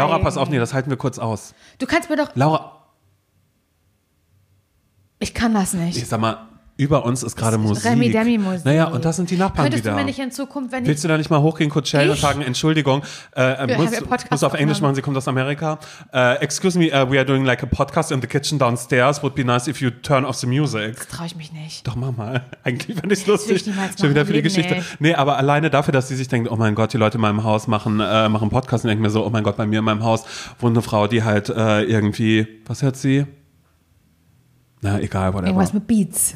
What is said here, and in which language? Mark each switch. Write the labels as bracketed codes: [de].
[de] Laura, pass auf, nee, das halten wir kurz aus. Du kannst mir doch. Laura. Ich kann das nicht. Ich sag mal, über uns ist gerade Musik. Remi Demi Musik. Naja, und das sind die Nachbarn. Könntest wieder. Könntest du mir nicht in Zukunft, wenn willst ich du da nicht mal hochgehen, kurz schellen und sagen, Entschuldigung, musst du auf Englisch machen, sie kommt aus Amerika. [en] Excuse me, we are doing like a podcast in the kitchen downstairs. Would be nice if you turn off the music. [de] Das traue ich mich nicht. Doch, mach mal. Eigentlich fände ich es lustig. Schon wieder für die Geschichte. Nee, aber alleine dafür, dass sie sich denkt, oh mein Gott, die Leute in meinem Haus machen Podcast und denken mir so, oh mein Gott, bei mir in meinem Haus wohnt eine Frau, die halt irgendwie, was hört sie? Na, egal, whatever. Irgendwas mit Beats.